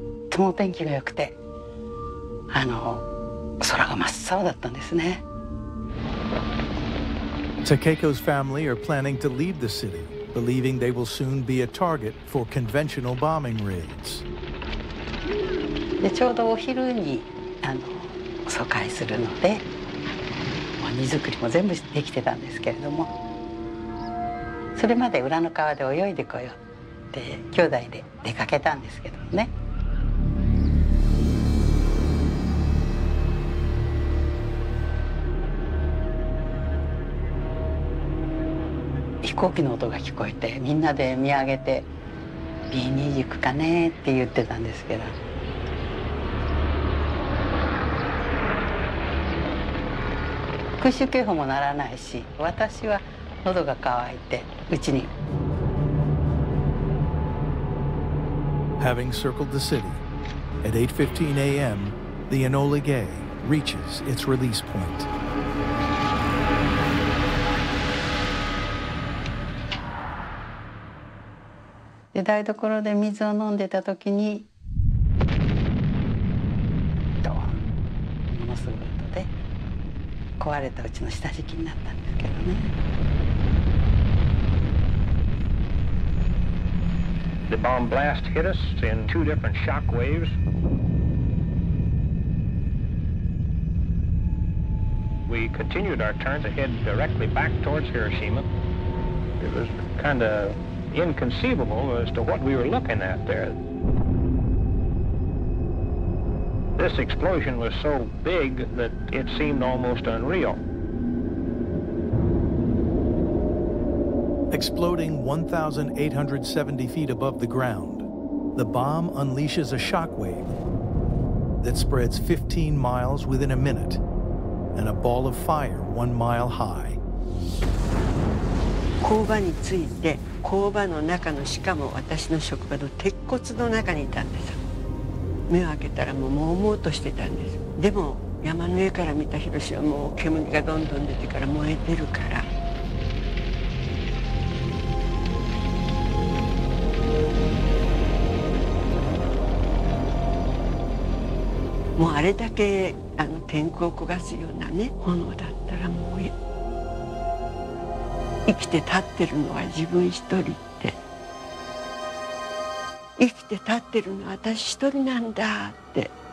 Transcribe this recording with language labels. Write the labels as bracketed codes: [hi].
[ja] とても天気が良くて、空が真っ青だったんですね。 [en] Takeko's family are planning to leave the city, believing they will soon be a target for conventional bombing raids. [ja] で、ちょうどお昼に疎開するので、もう荷造りも全部できてたんですけれども、それまで裏の川で泳いでこようって兄弟で出かけたんですけどね。飛行機の音が聞こえて、みんなで見上げて、B-2 行くかねって言ってたんですけど。空襲警報も鳴らないし、私は喉が渇いて、うちに。 [en] Having circled the city, at 8:15 a.m., the Enola Gay reaches its release point. [ja] で、台所で水を飲んでた時にドーン、ものすごい音で壊れたうちの下敷きになったんですけどね。 [en] The bomb blast hit us in two different shock waves. We continued our turn to head directly back towards Hiroshima. It was kind ofinconceivable as to what we were looking at there. This explosion was so big that it seemed almost unreal. Exploding 1,870 feet above the ground, the bomb unleashes a shockwave that spreads 15 miles within a minute and a ball of fire 1 mile high. [ja] 工場に着いて工場の中のしかも私の職場の鉄骨の中にいたんです。目を開けたらもうもうもうとしてたんです。でも山の上から見た広島はもう煙がどんどん出てから燃えてるから、もうあれだけ天候を焦がすようなね炎だったらもう生きて立ってるのは自分一人って、生きて立ってるのは私一人なんだって。